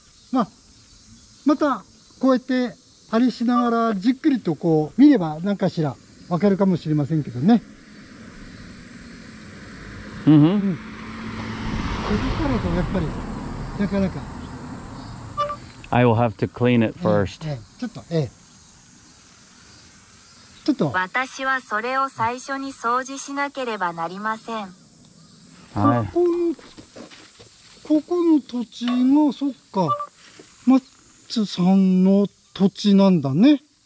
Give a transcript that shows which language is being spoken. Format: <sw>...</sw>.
<ja>まあ、また、こうやって、ありしながら、じっくりとこう、見れば、何かしら、わかるかもしれませんけどね。うん。ここからと、やっぱり、なかなか。</ja> <en>I will have to clean it first.</en> <ja>ちょっと、ちょっと。私はそれを最初に掃除しなければなりません。はい。ここの土地が、そっか、マッツさんの土地なんだね。</ja>